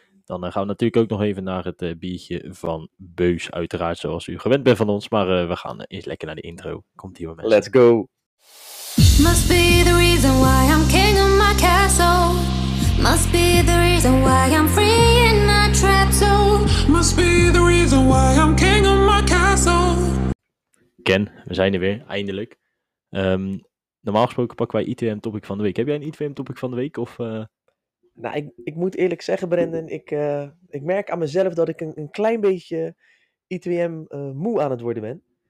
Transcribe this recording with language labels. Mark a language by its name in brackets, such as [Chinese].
[Dutch] Dan gaan we natuurlijk ook nog even naar het biertje van Beus, uiteraard zoals u gewend bent van ons. Maar we gaan eens lekker naar de intro. Komt hier, mensen. [English] Let's go. Must be the reason why I'm king of my castle. Must be the reason why I'm free in my trap zone. Must be the reason why I'm king of my castle. [Dutch] Ken, we zijn er weer, eindelijk. Normaal gesproken pakken wij ITWM topic van de week. Heb jij een ITWM topic van de week of... Nou, ik moet eerlijk zeggen, Brendan, ik merk aan mezelf dat ik een klein beetje ITWM moe aan het worden ben.